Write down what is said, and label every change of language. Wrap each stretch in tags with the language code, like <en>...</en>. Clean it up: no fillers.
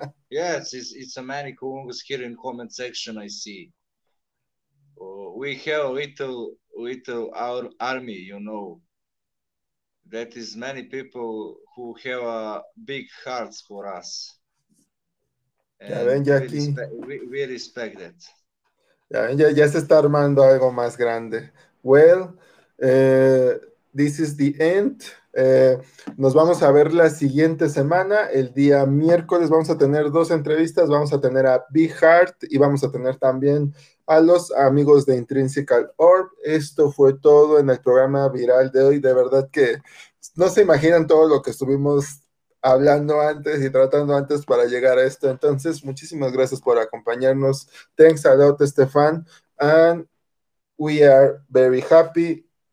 <en>Yes, it's a many Colungos here in comment section, I see. We have a little our army, you know. That is many people who have a big hearts for us.</en> <es>Ya ven, Jackie.</es> <en>We respect that.</en> <es>Ya ven, ya se está armando algo más grande. Well...</es> <en>this is the end.</en> <es>Nos vamos a ver la siguiente semana, el día miércoles. Vamos a tener 2 entrevistas, vamos a tener a Big Heart y vamos a tener también a los amigos de Intrinsical Orb. Esto fue todo en el programa Viral de hoy. De verdad que no se imaginan todo lo que estuvimos hablando antes y tratando antes para llegar a esto. Entonces, muchísimas gracias por acompañarnos.</es> <en>Thanks a lot, Estefan, and we are very happy.</en>